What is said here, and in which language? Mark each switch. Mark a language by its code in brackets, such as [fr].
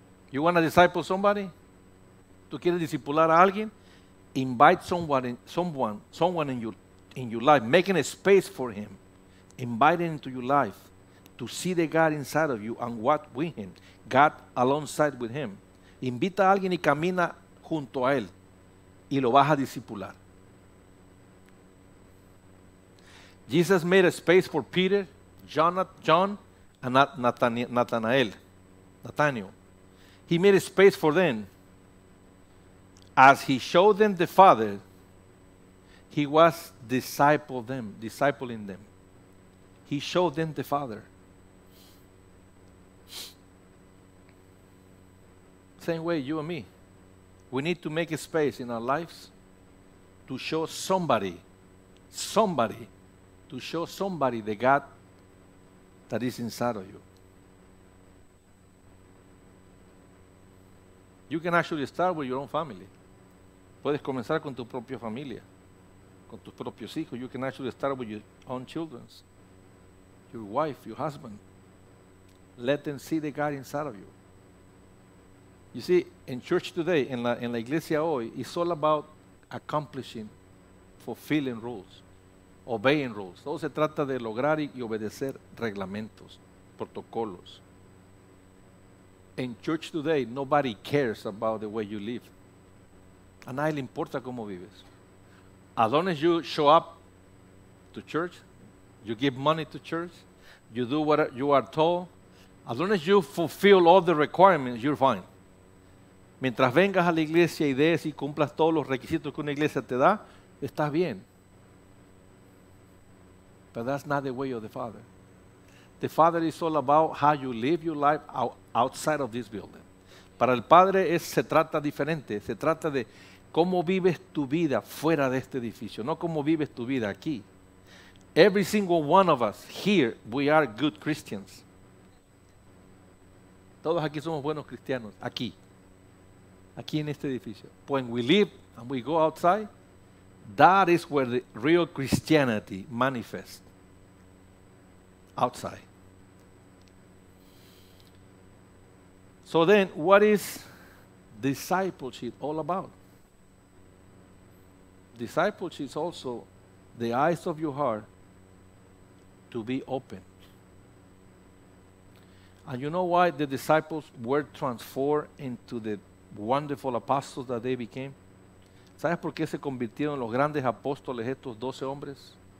[en] You want to disciple somebody? [es] ¿Tú quieres discipular a alguien? [en] Invite someone in your life, making a space for him. Invite him into your life to see the God inside of you and what with him. God alongside with him. [es] Invita a alguien y camina junto a él y lo vas a discipular. [en] Jesus made a space for Peter, John, Nathanael. He made a space for them. As he showed them the Father, he was discipling them. He showed them the Father. Same way, you and me. We need to make a space in our lives to show somebody, to show somebody the God that is inside of you. You can actually start with your own family. [es] Puedes comenzar con tu propia familia, con tus propios hijos. [en] You can actually start with your own children, your wife, your husband. Let them see the God inside of you. You see, in church today, [es] en la iglesia hoy, [en] it's all about accomplishing, fulfilling rules, obeying rules. [es] Todo se trata de lograr y obedecer reglamentos, protocolos. [en] In church today, nobody cares about the way you live. [es] A nadie le importa cómo vives. [en] As long as you show up to church, you give money to church, you do what you are told, as long as you fulfill all the requirements, you're fine. [es] Mientras vengas a la iglesia y des y cumplas todos los requisitos que una iglesia te da, estás bien. [en] But that's not the way of the Father. The Father is all about how you live your life outside of this building. [es] Para el Padre se trata diferente. Se trata de cómo vives tu vida fuera de este edificio, no cómo vives tu vida aquí. [en] Every single one of us here, we are good Christians. [es] Todos aquí somos buenos cristianos, aquí en este edificio. [en] When we live and we go outside, that is where the real Christianity manifests. Outside. So then, what is discipleship all about? Discipleship is also the eyes of your heart to be open. And you know why the disciples were transformed into the wonderful apostles that they became? [es] ¿Sabes por qué se convirtieron los grandes apóstoles estos 12 hombres?